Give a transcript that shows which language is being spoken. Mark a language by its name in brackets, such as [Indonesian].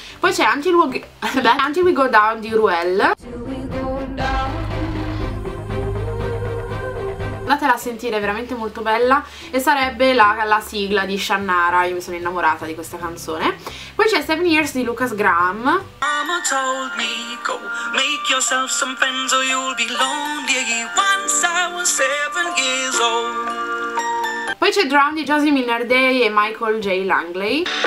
[Italian] Poi c'è Until We Go Down di Ruel. Andatela a sentire, è veramente molto bella. E sarebbe la sigla di Shannara. Io mi sono innamorata di questa canzone. Poi c'è 7 Years di Lucas Graham. [English] Mama told me, go make yourself some friends or you'll be lonely once I was 7 years old. [Italian] Poi c'è Drown di Josie Minardi e Michael J. Langley.